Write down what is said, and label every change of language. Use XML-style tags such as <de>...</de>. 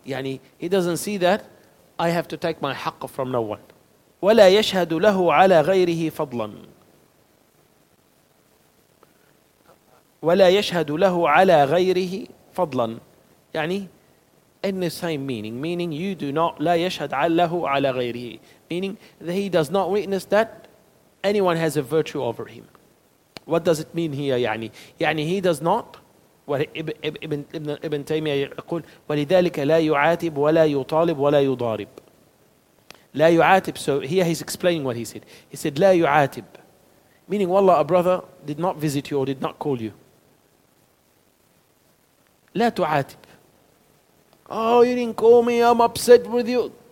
<en>يعني, he doesn't see that I have to take my haqq from no one.</en> <ar>وَلَا يَشْهَدُ لَهُ عَلَىٰ غَيْرِهِ فَضْلًا. وَلَا يَشْهَدُ لَهُ عَلَىٰ غَيْرِهِ فَضْلًا.</ar> <en>يعني, in the same meaning. Meaning, you do not,</en> <ar>لَا يَشْهَدْ لَهُ عَلَىٰ غَيْرِهِ.</ar> <en>Meaning, that he does not witness that anyone has a virtue over him. What does it mean here, يعني?</en> <ar>يعني,</ar> <en>he does not,</en> <ar>Ibn Taymiyyah يقول, وَلِذَلِكَ لَا يُعَاتِبُ وَلَا يُطَالِبُ وَلَا يُضَارِبُ. لَا يُعَاتِبُ,</ar> <en>so here he's explaining what he said. He said, لَا يُعَاتِبُ. Meaning, wallah, a brother did not visit you or did not call you.</en> <ar>لا تعاتب.</ar> <en>Oh, you didn't call me, I'm upset with you.</en>